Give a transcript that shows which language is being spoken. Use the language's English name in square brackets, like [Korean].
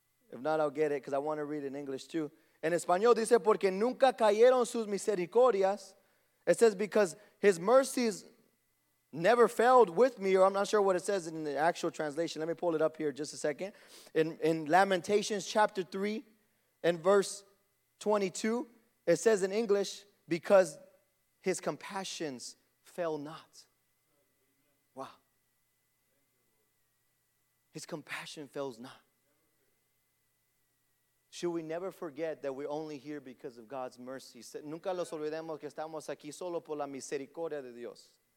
[English] If not, I'll get it because I want to read it in English too. [Spanish] En español dice, porque nunca cayeron sus misericordias. [English] It says because his mercies never failed with me, or I'm not sure what it says in the actual translation. Let me pull it up here just a second. In Lamentations chapter 3 and verse 22, it says in English, because his compassions fail not. Wow. His compassion fails not. Should we never forget that we're only here because of God's mercy? [Spanish] Nunca nos olvidemos que estamos aquí solo por la misericordia de Dios.